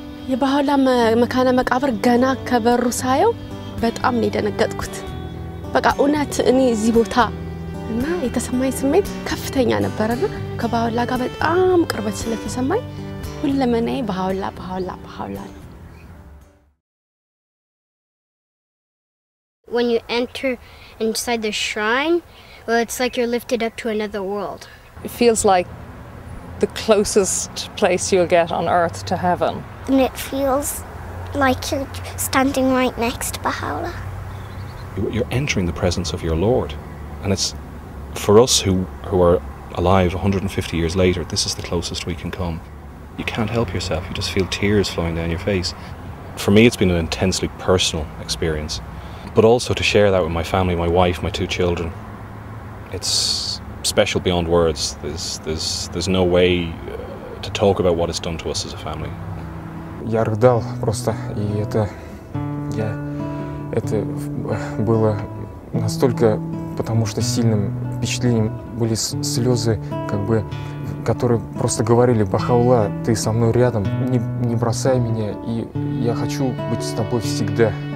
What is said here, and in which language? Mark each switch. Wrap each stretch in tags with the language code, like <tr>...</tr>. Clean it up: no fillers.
<am>የባህላ መካነ መቃብር ገና ከበሩ ሳየው በጣም ሊደነገጥኩት በቃ ኡነት እኔ እዚህ ቦታ እና የተሰማኝ ስሜት ከፍተኛ ነበርና ከባህላ ጋር በጣም ቅርበት ስለተሰማኝ ሁለመናዬ ባህላ ባህላ ባህላ ነው.</am> <en>When you enter inside the shrine, well, it's like you're lifted up to another world. It feels like the closest place you'll get on earth to heaven. And it feels like you're standing right next to Baha'u'llah. You're entering the presence of your Lord. And it's, for us who are alive 150 years later, this is the closest we can come. You can't help yourself, you just feel tears flowing down your face. For me, it's been an intensely personal experience. But also to share that with my family, my wife, my two children, it's special beyond words. There's no way to talk about what it's done to us as a family.</en> <ru>Я рыдал просто, и это я это было настолько, потому что сильным впечатлением были слезы, как бы, которые просто говорили: Баха'у'лла, ты со мной рядом, не бросай меня, и я хочу быть с тобой всегда.</ru>